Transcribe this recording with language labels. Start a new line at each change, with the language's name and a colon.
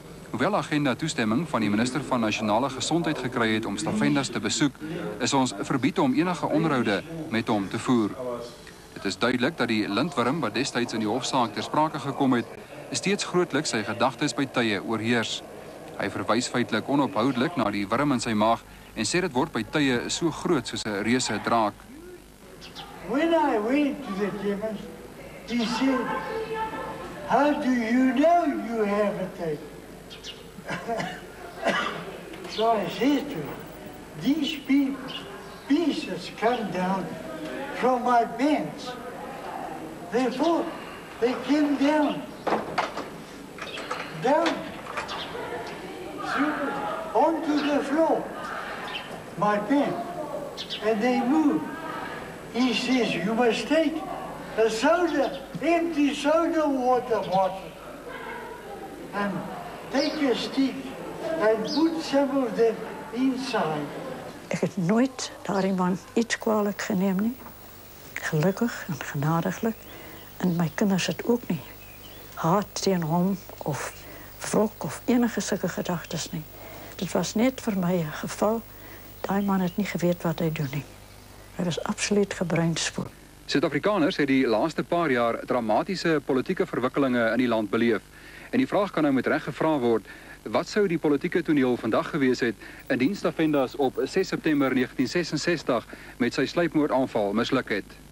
Afrikaans: Hoewel agenda toestemming van die minister van Nasionale Gesondheid gekry het om Stavendas te besoek, is ons verbied om enige onderhoude met hom te voer. Dit is duidelik dat die lintworm wat destyds in die hofsaak ter sprake gekom het, steeds grootlik sy gedagtes by tye oorheers. Hy verwys feitelik onophoudelik na die worm in sy maag en sê dit word by tye so groot soos 'n reuse draak.
English: When I went to the chemist, he said, how do you know you have a type? So I said to him, these pieces come down from my bench. Therefore, they came down. Down. Onto the floor. My bench. And they moved. He says, you must take a soda, empty soda water bottle. And take a stick and put some of them inside.
Afrikaans: Ek het nooit daar iemand iets kwalijk geneem nie. Gelukkig en genadiglik. En my kinders het ook nie. Haat teen hom of wrok of enige sulke gedagtes nie. Dit was net vir my een geval. Daai man het nie geweet wat hy doen nie. Hy was absoluut gebreinspoel. Suid-Afrikaners het die laaste paar jaar dramatiese politieke verwikkelinge in die land beleef. En die vraag kan nou met reg gevra word, wat sou die politieke toneel vandag gewees het indien Stavendas op 6 September 1966 met sy sluipmoordaanval misluk het.